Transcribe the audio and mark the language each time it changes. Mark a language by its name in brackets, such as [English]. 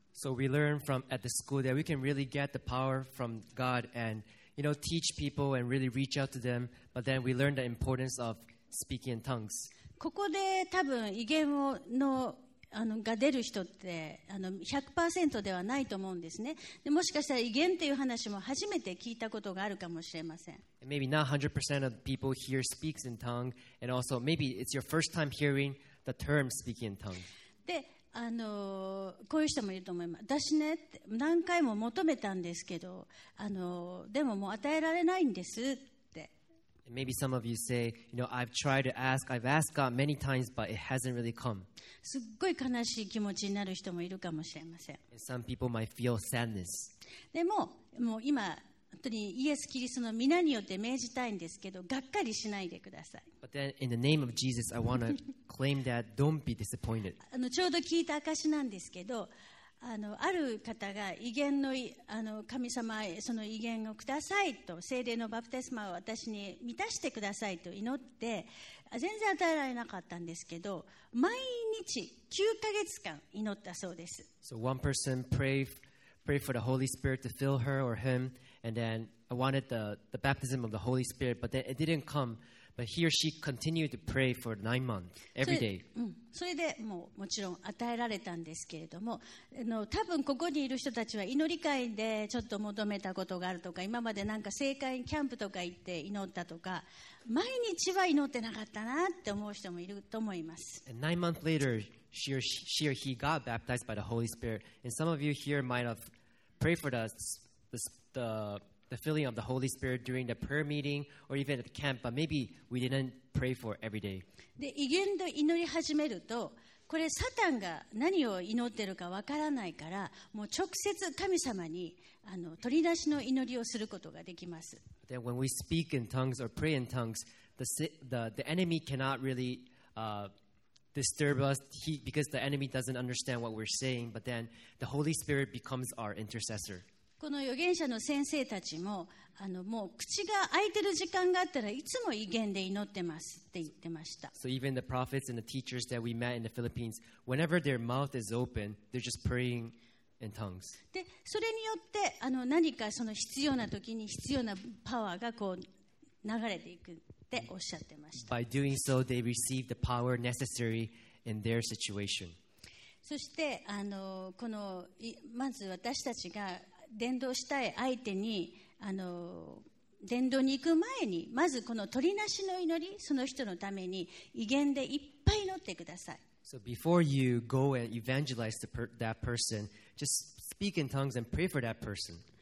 [English] So we learn from at the school that we can really get the power from God and you know teach people and really reach out to them. But then we learn the importance of speaking in tongues. [Japanese] ここで多分異言をのが出る人って100% ではないと思うんですね。でもしかしたら異言っていう話も初めて聞いたことがあるかもしれません。 [English] And maybe not 100% of people here speaks in tongue, and also maybe it's your first time hearing the term speaking in tongue. [Japanese] で。こういう人もいると思います。私ね、何回も求めたんですけど、でももう与えられないんですって。 [English] Maybe some of you say, you know, I've tried to ask, I've asked God many times, but it hasn't really come. [Japanese] すっごい悲しい気持ちになる人もいるかもしれません。 [English] And some people might feel sadness. [Japanese] でも、もう今、本当にイエス・キリストの皆によって命じたいんですけど、がっかりしないでください。 [English] But then, in the name of Jesus, I want to claim that don't be disappointed. [Japanese] ちょうど聞いた証なんですけど、ある方が威厳 の, 神様へその威厳をくださいと聖霊のバプテスマを私に満たしてくださいと祈って全然与えられなかったんですけど毎日9ヶ月間祈ったそうです [English] So one person prayed for the Holy Spirit to fill her or him and then I wanted the baptism of the Holy Spirit but then it didn't comeBut he or she continued to pray for 9 months, every day. [Japanese] それで、もうもちろん与えられたんですけれども、多分ここにいる人たちは祈り会でちょっと求めたことがあるとか、今までなんか聖会キャンプとか行って祈ったとか、毎日は祈ってなかったなって思う人もいると思います。 [English] And 9 months later, she or he got baptized by the Holy Spirit. And some of you here might have prayed for the filling of the Holy Spirit during the prayer meeting or even at the camp, but maybe we didn't pray for every day. [Japanese] で、異言で祈り始めると、これサタンが何を祈ってるかわからないから、もう直接神様に取り出しの祈りをすることができます。 [English] Then when we speak in tongues or pray in tongues, the enemy cannot really disturb us because the enemy doesn't understand what we're saying, but then the Holy Spirit becomes our intercessor. [Japanese] この預言者の先生たちも、もう口が開いてる時間があったらいつも異言で祈ってますって言ってました。 [English] So even the prophets and the teachers that we met in the Philippines, whenever their mouth is open, they're just praying in tongues. [Japanese] で、それによって何かその必要な時に必要なパワーがこう流れていくっておっしゃってました。 [English] By doing so, they receive the power necessary in their situation. [Japanese] そしてこのまず私たちが伝道したい相手に伝道に行く前にまずこの取りなしの祈りその人のために異言でいっぱい祈ってください。 [English] So before you go and evangelize to that person, just speak in tongues and pray for that person.